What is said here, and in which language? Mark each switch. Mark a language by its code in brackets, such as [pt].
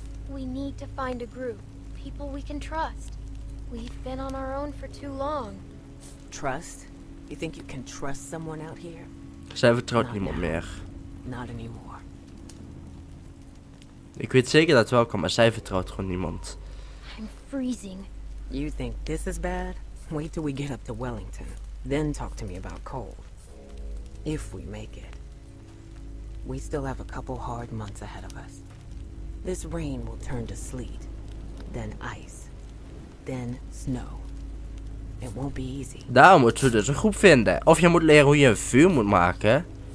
[en] We need to find a group. People we can trust. We've been on our own for too long. Trust? You think you can trust someone out here? [nl] Zij vertrouwt niemand meer. [en] Not anymore. [nl] Ik weet zeker dat het wel kan, maar zij vertrouwt gewoon niemand. [en] I'm freezing. You think this is bad? Wait till we get up to Wellington. Then talk to me about cold. If we make it. We still have a couple hard months ahead of us. This rain will turn to sleet, then ice, then snow. It won't be easy. [nl] Daarom moeten we dus een groep vinden. Of je moet leren hoe je een vuur moet maken.